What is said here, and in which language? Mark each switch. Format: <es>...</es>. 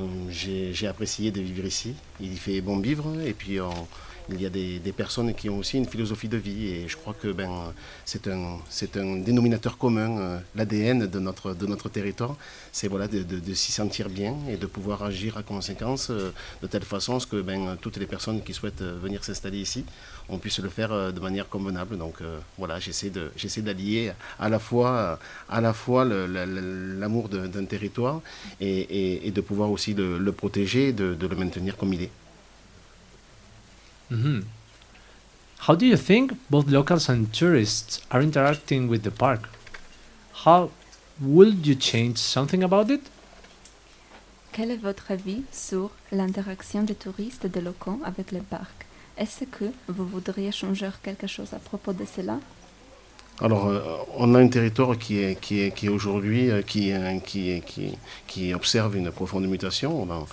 <fr>J'ai apprécié de vivre ici, il y fait bon vivre, et puis il y a des personnes qui ont aussi une philosophie de vie, et je crois que c'est un dénominateur commun, l'ADN de notre territoire, c'est de s'y sentir bien et de pouvoir agir à conséquence de telle façon que toutes les personnes qui souhaitent venir s'installer ici, on puisse le faire de manière convenable. Donc j'essaie d'allier à la fois l'amour d'un territoire et de pouvoir aussi le protéger, de le maintenir comme il est. Mm-hmm.</fr> <en>How do you think both locals and tourists are interacting with the park? How would you change something about it?</en> <fr>quel est votre avis sur l'interaction des touristes de locaux avec les parcs? Est-ce que vous voudriez changer quelque chose à propos de cela? Alors, on a un territoire qui aujourd'hui observe une profonde mutation.</fr>